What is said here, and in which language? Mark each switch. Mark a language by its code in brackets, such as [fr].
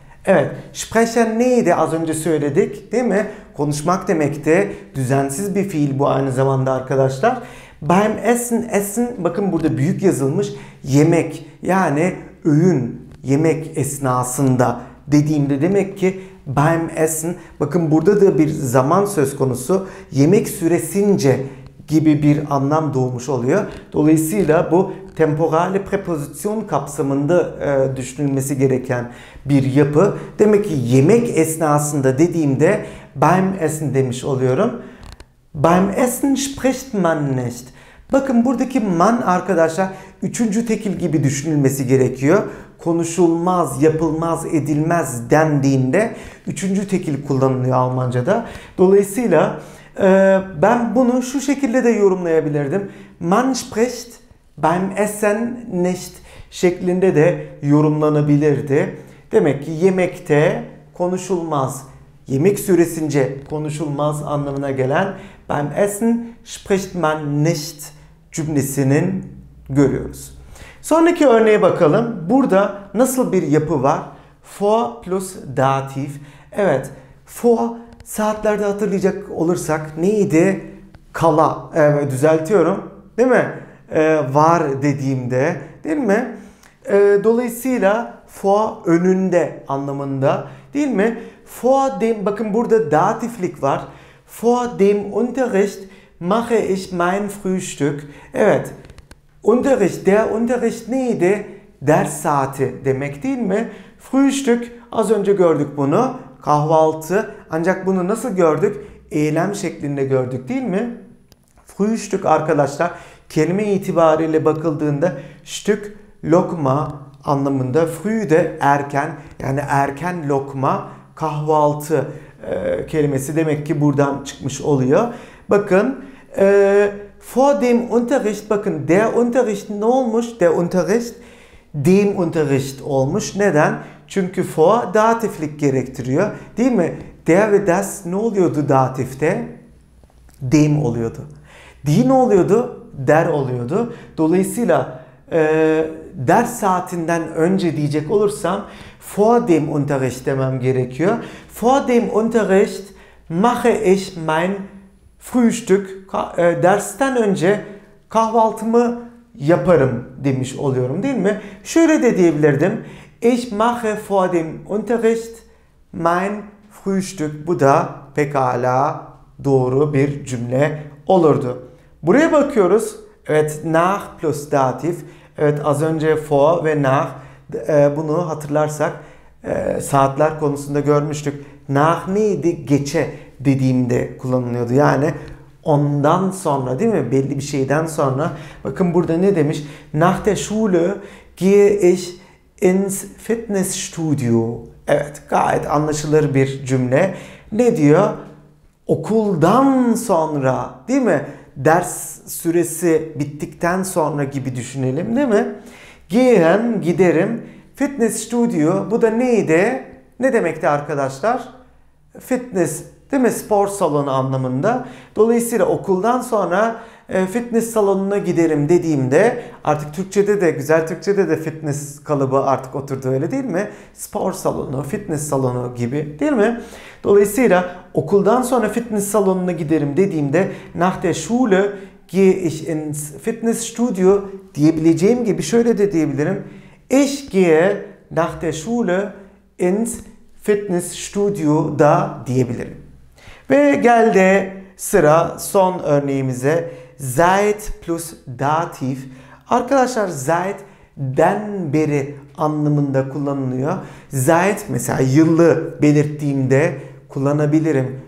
[tr] Evet, sprechen neydi az önce söyledik değil mi? Konuşmak demekti. Düzensiz bir fiil bu aynı zamanda arkadaşlar. Beim Essen, Essen, bakın burada büyük yazılmış, yemek, yani öğün, yemek esnasında dediğimde demek ki beim Essen, bakın burada da bir zaman söz konusu, yemek süresince gibi bir anlam doğmuş oluyor. Dolayısıyla bu temporale preposition kapsamında düşünülmesi gereken bir yapı. Demek ki yemek esnasında dediğimde [de] beim Essen [tr] demiş oluyorum. [de] Beim Essen spricht man nicht. [tr] Bakın buradaki man arkadaşlar üçüncü tekil gibi düşünülmesi gerekiyor. Konuşulmaz, yapılmaz, edilmez dendiğinde üçüncü tekil kullanılıyor Almanca'da. Dolayısıyla ben bunu şu şekilde de yorumlayabilirdim. [de] Man spricht beim Essen nicht [tr] şeklinde de yorumlanabilirdi. Demek ki yemekte konuşulmaz, yemek süresince konuşulmaz anlamına gelen [de] beim Essen spricht man nicht [tr] cümlesinin görüyoruz. Sonraki örneğe bakalım. Burada nasıl bir yapı var? Vor plus dativ. Evet, vor saatlerde hatırlayacak olursak neydi? Kala. Evet, düzeltiyorum. Değil mi? Var dediğimde. Değil mi? Dolayısıyla vor önünde anlamında. Değil mi? Vor dem, bakın burada datiflik var. [de] Vor dem Unterricht mache ich mein Frühstück. [tr] Evet, Unterricht, der Unterricht neydi? Ders saati demek değil mi? Frühstück, az önce gördük bunu. Kahvaltı, ancak bunu nasıl gördük? Eylem şeklinde gördük değil mi? Frühstück arkadaşlar, kelime itibariyle bakıldığında Stück, lokma anlamında. Früh de erken, yani erken lokma, kahvaltı kelimesi demek ki buradan çıkmış oluyor. Bakın, [de] vor dem Unterricht, [tr] bakın der Unterricht ne olmuş? [de] Der Unterricht, dem Unterricht olmuş. [tr] Neden? Çünkü vor datiflik gerektiriyor. Değil mi? Der ve das ne oluyordu datifte? Dem oluyordu. Die ne oluyordu? Der oluyordu. Dolayısıyla ders saatinden önce diyecek olursam [de] vor dem Unterricht [tr] demem gerekiyor. [de] Vor dem Unterricht mache ich mein Frühstück, [tr] dersten önce kahvaltımı yaparım demiş oluyorum değil mi? Şöyle de diyebilirdim. [de] Ich mache vor dem Unterricht mein Frühstück. [tr] Bu da pekala doğru bir cümle olurdu. Buraya bakıyoruz. Evet, nach plus datif. Evet, az önce vor ve nach, bunu hatırlarsak saatler konusunda görmüştük. Nach neydi? Geçe dediğimde kullanılıyordu. Yani ondan sonra değil mi? Belli bir şeyden sonra. Bakın burada ne demiş? [de] Nach der Schule gehe ich ins Fitnessstudio. [tr] Evet, gayet anlaşılır bir cümle. Ne diyor? Okuldan sonra değil mi? Ders süresi bittikten sonra gibi düşünelim değil mi? Gehen, giderim. Fitnessstudio, bu da neydi? Ne demekti arkadaşlar? Fitness değil mi? Spor salonu anlamında. Dolayısıyla okuldan sonra fitness salonuna giderim dediğimde artık Türkçe'de de, güzel Türkçe'de de fitness kalıbı artık oturdu öyle değil mi? Spor salonu, fitness salonu gibi değil mi? Dolayısıyla okuldan sonra fitness salonuna giderim dediğimde [de] nach der Schule gehe ich ins Fitnessstudio [tr] diyebileceğim gibi şöyle de diyebilirim. [de] Ich gehe nach der Schule ins Fitnessstudio [tr] da diyebilirim. Ve geldi sıra son örneğimize. Seit plus Dativ. Arkadaşlar seit'den beri anlamında kullanılıyor. Seit mesela yılı belirttiğimde kullanabilirim.